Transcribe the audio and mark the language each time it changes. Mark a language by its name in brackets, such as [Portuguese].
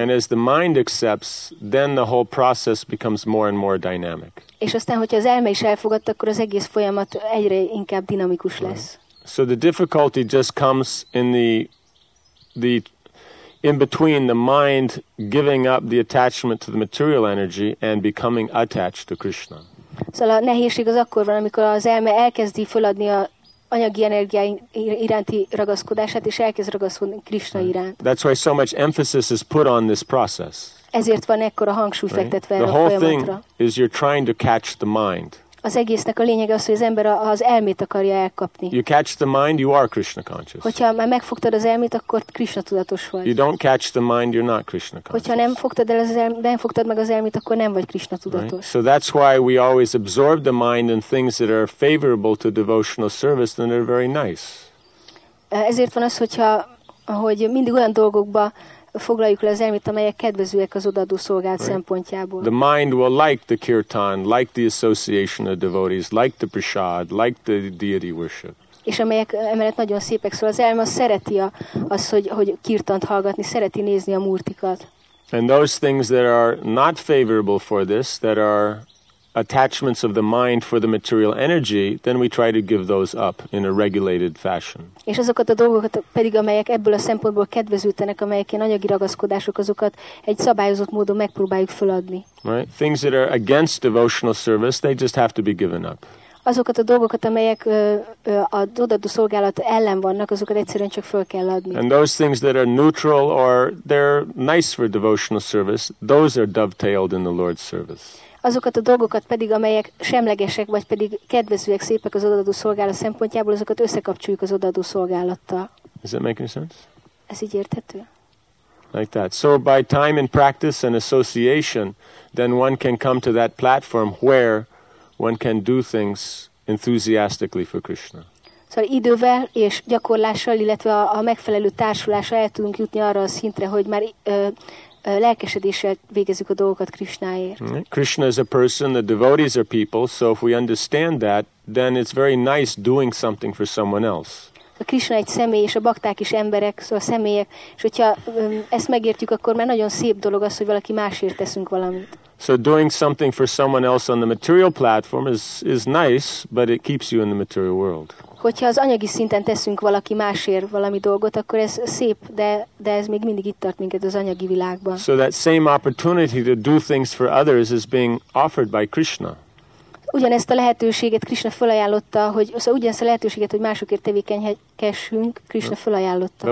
[English] And as the mind accepts, then the whole process becomes more and more dynamic. [Hungarian] És aztán, hogyha az elme is elfogadta, akkor az egész folyamat egyre inkább dinamikus lesz. [English] So the difficulty just comes in the in between the mind giving up the attachment to the material energy and becoming attached to Krishna. [Hungarian] Szóval a nehézség az akkor van, amikor az elme elkezdi föladni a anyagi energia iránti ragaszkodását, és elkezd ragaszkodni Krishna iránt. [English] That's why so much emphasis is put on this process. [Hungarian] Ezért van ekkora hangsúly fektetve erre a folyamatra. [English] The whole thing is you're trying to catch the mind. [Hungarian] az egésznek a lényege az, hogy az ember az elmét akarja elkapni. [English] You catch the mind, you are Krishna conscious. [Hungarian] Hogyha már megfogtad az elmét, akkor Krishna tudatos vagy. [English] You don't catch the mind, you're not Krishna conscious. [Hungarian] Hogyha nem fogtad el az elmét, nem fogtad meg az elmét, akkor nem vagy Krishna tudatos. [English] Right? So that's why we always absorb the mind in things that are favorable to devotional service, then they're very nice. [Hungarian] Ezért van az, hogy mindig olyan dolgokba foglaljuk le az elmét, amelyek kedvezőek az odaadó szolgált [English] right. [Hungarian] szempontjából. [English] The mind will like the kirtan, like the association of devotees, like the prasad, like the deity worship. [Hungarian] És amelyek emellett nagyon szépek, szóval az elme szereti azt, hogy kirtant hallgatni, szereti nézni a murtikat. [English] And those things that are not favorable for this, that are attachments of the mind for the material energy, then we try to give those up in a regulated fashion. [Hungarian] És azokat a dolgokat pedig, amelyek ebből a szempontból kedvezőtenek, amelyek ilyen anyagi ragaszkodások, azokat egy szabályozott módon megpróbáljuk feladni. [English] Right? Things that are against devotional service, they just have to be given up. [Hungarian] Azokat a dolgokat, amelyek a odaadó szolgálat ellen vannak, azokat egyszerűen csak föl kell adni. [English] And those things that are neutral or they're nice for devotional service, those are dovetailed in the Lord's service. [Hungarian] Azokat a dolgokat pedig, amelyek semlegesek, vagy pedig kedvezőek, szépek az odaadó szolgálat szempontjából, azokat összekapcsoljuk az odaadó szolgálattal. [English] Is that making sense? [Hungarian] Ez így érthető? [English] Like that. So by time and practice and association, then one can come to that platform where one can do things enthusiastically for Krishna. [Hungarian] Szóval idővel és gyakorlással, illetve a megfelelő társulással el tudunk jutni arra a szintre, hogy már lelkesedéssel végezzük a dolgokat Krishnáért. Mm-hmm. [English] Krishna is a person, the devotees are people, so if we understand that, then it's very nice doing something for someone else. [Hungarian] A Krishna egy személy, és a bakták is emberek, szóval személyek, és hogyha ezt megértjük, akkor már nagyon szép dolog az, hogy valaki másért teszünk valamit. [English] So doing something for someone else on the material platform is nice, but it keeps you in the material world. [Hungarian] Hogyha az anyagi szinten teszünk valaki másért valami dolgot, akkor ez szép, de ez még mindig itt tart minket az anyagi világban. [English] So that same opportunity to do things for others is being offered by Krishna. [Hungarian] Ugyanezt a lehetőséget Krishna felajánlotta, hogy szóval ugyanezt a lehetőséget, hogy másokért tevékenykessünk, Krishna felajánlotta.